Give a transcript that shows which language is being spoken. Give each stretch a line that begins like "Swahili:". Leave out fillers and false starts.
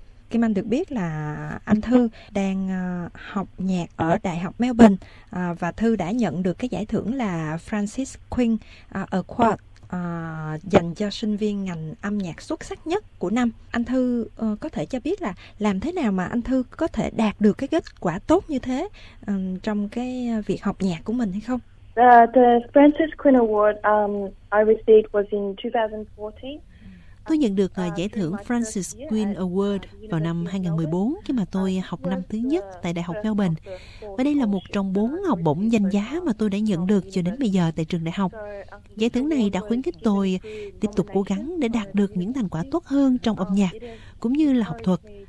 Vietnamese: Kim Anh được biết là anh Thư đang học nhạc ở Đại học Melbourne và Thư đã nhận được cái giải thưởng là Francis Quinn Award dành cho sinh viên ngành âm nhạc xuất sắc nhất của năm. Anh Thư có thể cho biết là làm thế nào mà anh Thư có thể đạt được cái kết quả tốt như thế trong cái việc học nhạc của mình hay không?
English: The Francis Quinn Award I received was in 2014.
Vietnamese: Tôi nhận được giải thưởng Francis Quinn Award vào năm 2014 khi mà tôi học năm thứ nhất tại Đại học Melbourne. Và đây là một trong 4 học bổng danh giá mà tôi đã nhận được cho đến bây giờ tại trường đại học. Giải thưởng này đã khuyến khích tôi tiếp tục cố gắng để đạt được những thành quả tốt hơn trong âm nhạc cũng như là học thuật.